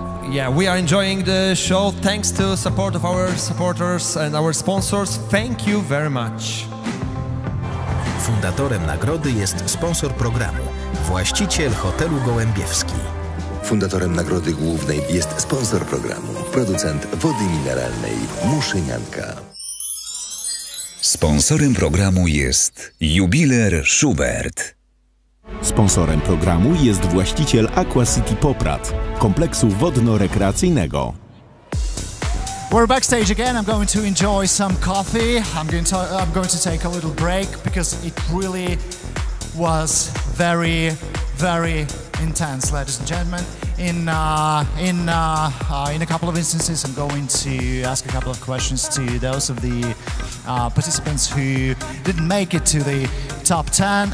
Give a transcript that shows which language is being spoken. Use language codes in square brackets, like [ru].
[en] Yeah, we are enjoying the show thanks to support of our supporters and our sponsors. Thank you very much. [pl] Fundatorem nagrody jest sponsor programu, właściciel hotelu Gołębiewski. Fundatorem nagrody głównej jest sponsor programu, producent wody mineralnej Muszynianka. Sponsorem programu jest jubiler Schubert. Sponsorem programu jest właściciel Aqua City Poprad, kompleksu wodno-rekreacyjnego. [en] We're backstage again. I'm going to enjoy some coffee. I'm going to take a little break because it really was very, very intense, ladies and gentlemen. In a couple of instances, I'm going to ask a couple of questions to those of the participants who didn't make it to the top 10.